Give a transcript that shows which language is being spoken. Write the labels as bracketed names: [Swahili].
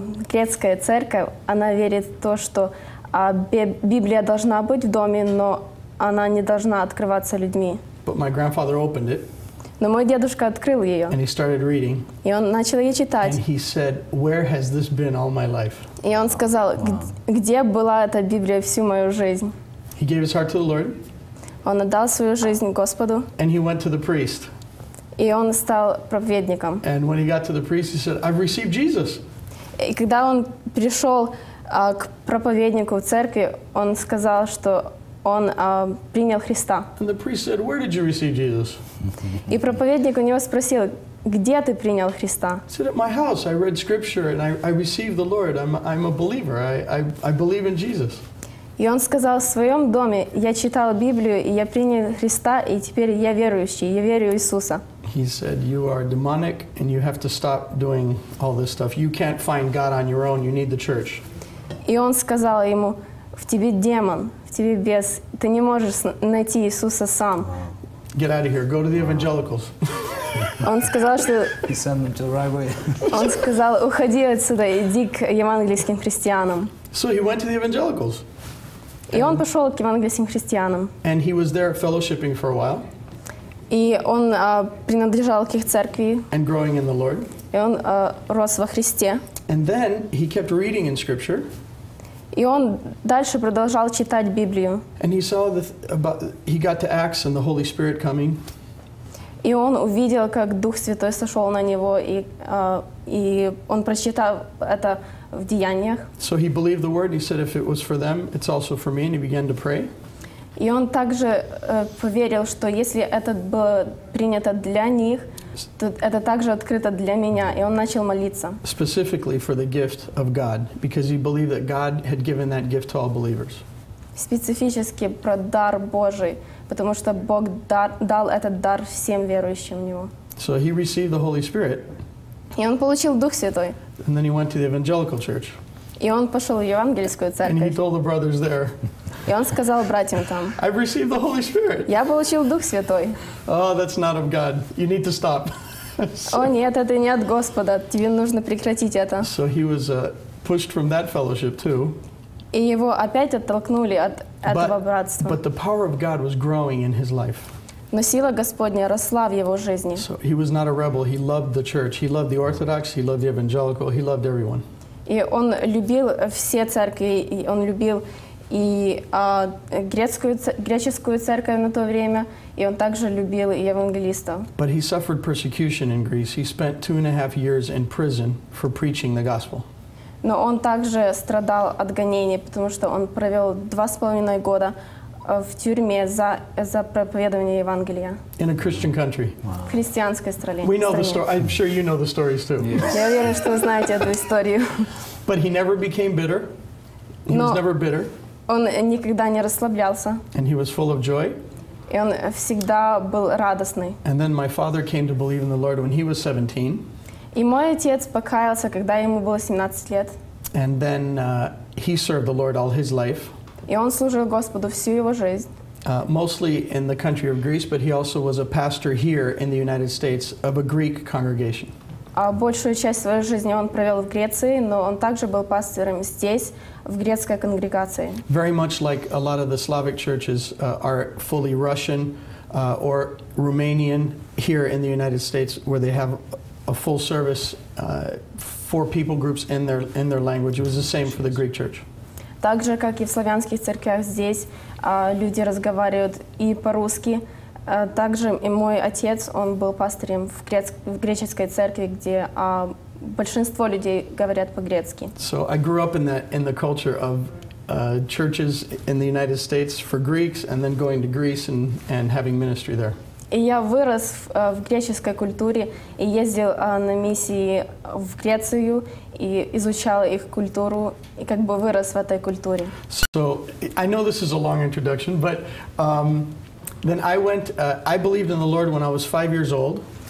[Russian] Грецкая церковь, она верит в то, что Библия должна быть в доме, но она не должна открываться людьми. [English] But my grandfather opened it. [Russian] Но мой дедушка открыл ее. [English] And he started reading. [Russian] И он начал ее читать. [English] And he said, "Where has this been all my life?" [Russian] И он сказал, где была эта Библия всю мою жизнь? [English] He gave his heart to the Lord. [Russian] Он отдал свою жизнь Господу. [English] And he went to the priest. [Russian] И он стал проповедником. [English] And when he got to the priest, he said, "I've received Jesus." [Russian] И когда он пришел к проповеднику в церкви, он сказал, что он принял Христа. [English] And the priest said, "Where did you receive Jesus?" [Russian] И проповедник у него спросил, где ты принял Христа? [English] He said, "At my house, I read scripture and I received the Lord. I'm a believer. I believe in Jesus." [Russian] И он сказал, в своем доме я читал Библию, и я принял Христа, и теперь я верующий, я верю в Иисуса. [English] He said, "You are demonic, and you have to stop doing all this stuff. You can't find God on your own. You need the church." [Russian] И он сказал ему, в тебе демон, в тебе бес, ты не можешь найти Иисуса сам. [English] Get out of here. Go to the evangelicals. [Russian] Он сказал, что... [English] He sent them to the right way. [Russian] Он сказал, уходи отсюда, иди к евангельским христианам. [English] So he went to the evangelicals. [Russian] И он пошел к евангельским христианам. [English] And he was there fellowshipping for a while. [Russian] И он принадлежал к их церкви. [English] And growing in the Lord. [Russian] И он рос во Христе. [English] And then he kept reading in scripture. [Russian] И он дальше продолжал читать Библию. [English] And he saw he got to Acts and the Holy Spirit coming. [Russian] И он увидел, как Дух Святой сошел на него, и он прочитал это в Деяниях. [English] So he believed the word, and he said, "If it was for them, it's also for me," and he began to pray. [Russian] И он также поверил, что если это было принято для них, то это также открыто для меня, и он начал молиться. [English] Specifically for the gift of God, because he believed that God had given that gift to all believers. [Russian] Специфически про дар Божий, потому что Бог дал этот дар всем верующим в Него. [English] So he received the Holy Spirit. [Russian] И он получил Дух Святой. [English] And then he went to the evangelical church. [Russian] И он пошел в евангельскую церковь. [English] And he told the brothers there. [Russian] И он сказал братьям там. [English] I've received the Holy Spirit. [Russian] Я получил Дух Святой. [English] Oh, that's not of God. You need to stop. [Russian] О, нет, это не от Господа. Тебе нужно прекратить это. [English] So he was pushed from that fellowship too. [Russian] И его опять оттолкнули от этого братства. [English] But the power of God was growing in his life. [Russian] Но сила Господня росла в его жизни. [English] So he was not a rebel. He loved the church. He loved the Orthodox. He loved the Evangelical. He loved everyone. [Russian] И он любил все церкви, и он любил и греческую церковь на то время, и он также любил и евангелистов. [English] But he suffered persecution in Greece. He spent 2.5 years in prison for preaching the gospel. [Russian] Но он также страдал от гонений, потому что он провел 2.5 года в тюрьме за проповедование Евангелия. [English] In a Christian country. Wow. [Russian] В христианской стране. [English] We know the story. I'm sure you know the stories too. [Russian] Я уверен, что вы знаете эту историю. [English] But he never became bitter. He was never bitter. [Russian] Он никогда не расслаблялся. [English] And he was full of joy. [Russian] И он всегда был радостный. [English] And then my father came to believe in the Lord when he was 17. [Russian] И мой отец покаялся, когда ему было 17 лет. [English] And then he served the Lord all his life. [Russian] И он служил Господу всю его жизнь. [English] Mostly in the country of Greece, but he also was a pastor here in the United States of a Greek congregation. [Russian] Большую часть своей жизни он провел в Греции, но он также был пастором здесь, в грецкой конгрегации. [English] Very much like a lot of the Slavic churches are fully Russian or Romanian here in the United States, where they have a full service for people groups in their language. It was the same for the Greek church. [Russian] Так же, как и в славянских церквях здесь, люди разговаривают и по-русски. Также и мой отец, он был пастырем в греческой церкви, где большинство людей говорят по-грецки. [English] So I grew up in the culture of churches in the United States for Greeks, and then going to Greece and having ministry there. [Russian] И я вырос в греческой культуре и ездил на миссии в Грецию и изучал их культуру и как бы вырос в этой культуре. [English] So I know this is a long introduction, but then I went. I believed in the Lord when I was 5 years old.